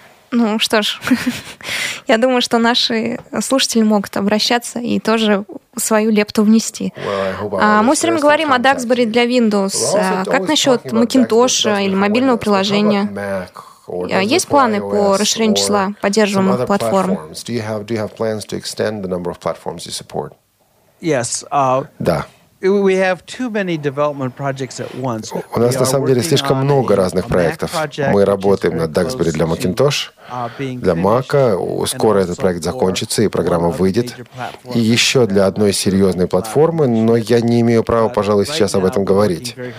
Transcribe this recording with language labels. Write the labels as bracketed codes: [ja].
[ru] Ну что ж, я думаю, что наши слушатели могут обращаться и тоже свою лепту внести. Мы все время говорим о Duxbury для Windows. Как насчет Macintosh или мобильного приложения? Есть планы по расширению числа поддерживаемых платформ? [en] Do you have plans to extend the number of platforms you support? Yes. [ru] Да. [en] We have too many development projects at once. [ru] У нас на самом деле слишком много разных проектов. Мы работаем над Duxbury для Macintosh, для Mac. Скоро этот проект закончится, и программа выйдет. И еще для одной серьезной платформы, но я не имею права, пожалуй, сейчас об этом говорить.